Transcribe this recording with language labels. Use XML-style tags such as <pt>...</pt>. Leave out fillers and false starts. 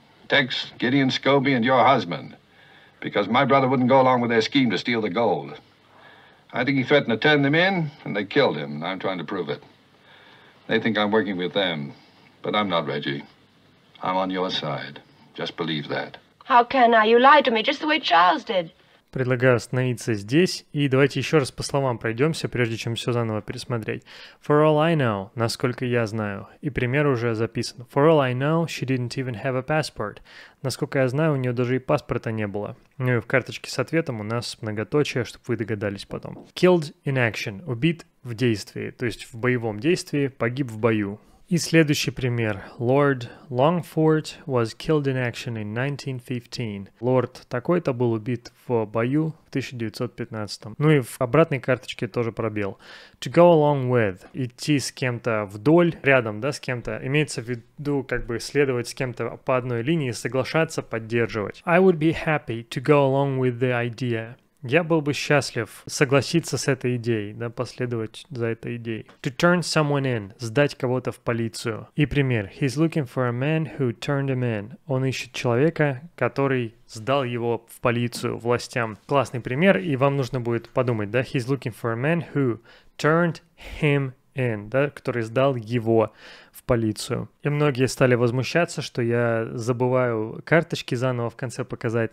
<en>Tex, Gideon Scobie, and your husband. Because my brother wouldn't go along with their scheme to steal the gold. I think he threatened to turn them in, and they killed him, and I'm trying to prove it. They think I'm working with them, but I'm not, Reggie. I'm on your side. Just believe that. How can I? You lied to me just the way Charles did.</en> <ru>Предлагаю остановиться здесь, и давайте еще раз по словам пройдемся, прежде чем все заново пересмотреть.</ru> <en>For all I know,</en> <ru>насколько я знаю, и пример уже записан.</ru> <en>For all I know, she didn't even have a passport.</en> <ru>Насколько я знаю, у нее даже и паспорта не было. Ну и в карточке с ответом у нас многоточие, чтобы вы догадались потом.</ru> <en>Killed in action,</en> <ru>убит в действии, то есть в боевом действии, погиб в бою. И следующий пример.</ru> <en>Lord Longford was killed in action in 1915.</en> <ru>Лорд такой-то был убит в бою в 1915. Ну и в обратной карточке тоже пробел.</ru> <en>To go along with.</en> <ru>Идти с кем-то вдоль, рядом, да, с кем-то. Имеется в виду, как бы, следовать с кем-то по одной линии, соглашаться, поддерживать.</ru> <en>I would be happy to go along with the idea.</en> <ru>Я был бы счастлив согласиться с этой идеей, да, последовать за этой идеей.</ru> <en>To turn someone in,</en> <ru>сдать кого-то в полицию. И пример.</ru> <en>He's looking for a man who turned him in.</en> <ru>Он ищет человека, который сдал его в полицию, властям. Классный пример, и вам нужно будет подумать, да?</ru> <en>He's looking for a man who turned him</en> <ru>Эйн, да, который сдал его в полицию. И многие стали возмущаться, что я забываю карточки заново в конце показать.</ru>